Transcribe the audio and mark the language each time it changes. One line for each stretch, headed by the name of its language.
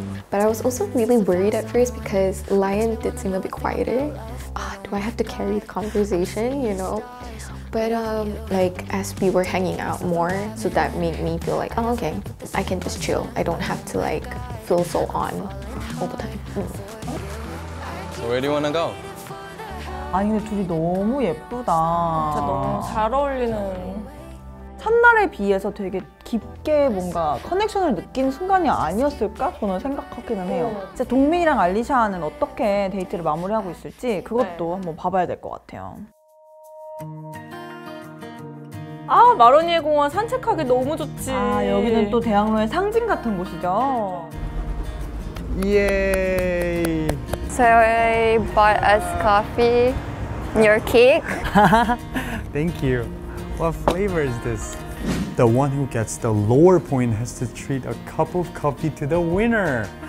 English: But I was also really worried at first because Lion did seem a bit quieter. Do I have to carry the conversation, you know? But like as we were hanging out more, so that made me feel like, oh, okay, I can just chill. I don't have to like feel so on all the time. So where do you want to go?
Korean: 아니 근데 둘이 너무 예쁘다. 진짜 너무 잘 어울리는. 첫날에 비해서 되게 깊게 뭔가 커넥션을 느낀 순간이 아니었을까? 저는 생각하기는 해요. 진짜 동민이랑 알리샤는 어떻게 데이트를 마무리하고 있을지 그것도 네. 한번 봐봐야 될 것 같아요. 아 마로니에 공원 산책하기 너무 좋지. 아 여기는 또 대학로의 상징 같은 곳이죠. 예이.
English: So I bought us coffee and your cake. Thank you. What flavor is this? The one who gets the lower point has to treat a cup of coffee to the winner.